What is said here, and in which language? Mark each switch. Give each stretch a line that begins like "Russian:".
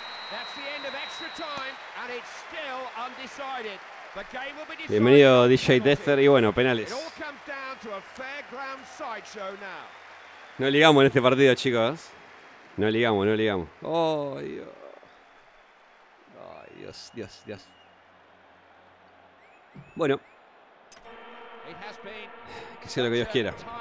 English: That's the end of extra time and it's still undecided. The game will be decided.
Spanish: Bienvenido DJ Deather y bueno, penales.
English: It all comes down to a fair ground sideshow now.
Spanish: No ligamos en este partido, chicos. No ligamos. Oh, Dios. Dios. Bueno. Que sea lo que Dios quiera.